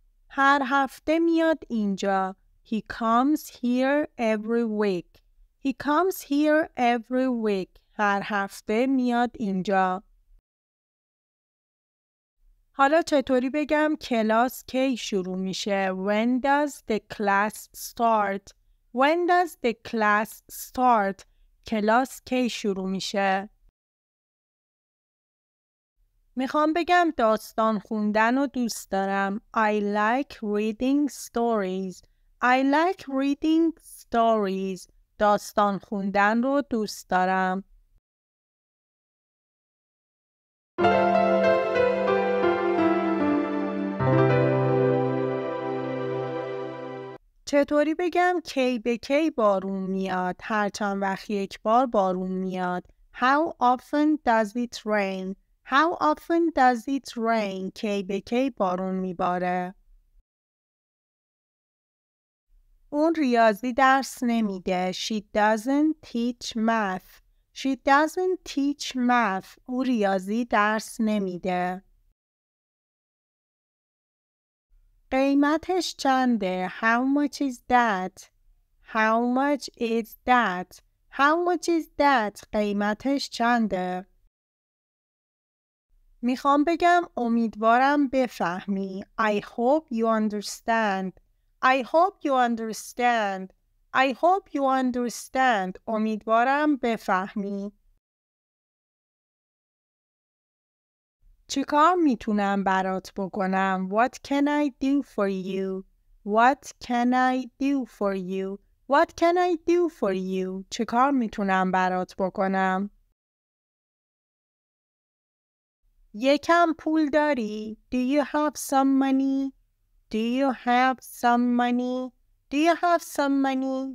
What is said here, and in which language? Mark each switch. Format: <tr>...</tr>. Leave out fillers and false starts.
<fa>هر هفته میاد اینجا.</fa> <en>He comes here every week. He comes here every week.</en> <fa>هر هفته میاد اینجا. حالا چطوری بگم کلاس کی شروع میشه؟</fa> <en>When does the class start? When does the class start?</en> <fa>کلاس کی شروع میشه؟ میخوام بگم داستان خوندن رو دوست دارم.</fa> <en>I like reading stories. I like reading stories.</en> <fa>داستان خوندن رو دوست دارم. چطوری بگم کی به کی بارون میاد؟ هر چند وقت یک بار بارون میاد.</fa> <en>How often does it rain? How often does it rain?</en> <fa>کی به کی بارون میباره؟ اون ریاضی درس نمیده.</fa> <en>She doesn't teach math. She doesn't teach math.</en> <fa>او ریاضی درس نمیده. قیمتش چنده؟</fa> <en>How much is that? How much is that? How much is that?</en> <fa>قیمتش چنده؟ میخوام بگم امیدوارم بفهمی.</fa> <en>I hope you understand. I hope you understand. I hope you understand.</en> <fa>امیدوارم بفهمی. چیکار میتونم برات بکنم؟</fa> <en>What can I do for you? What can I do for you? What can I do for you?</en> <fa>چیکار میتونم برات بکنم؟ یکم پول داری؟</fa> <en>Do you have some money? Do you have some money? Do you have some money?</en>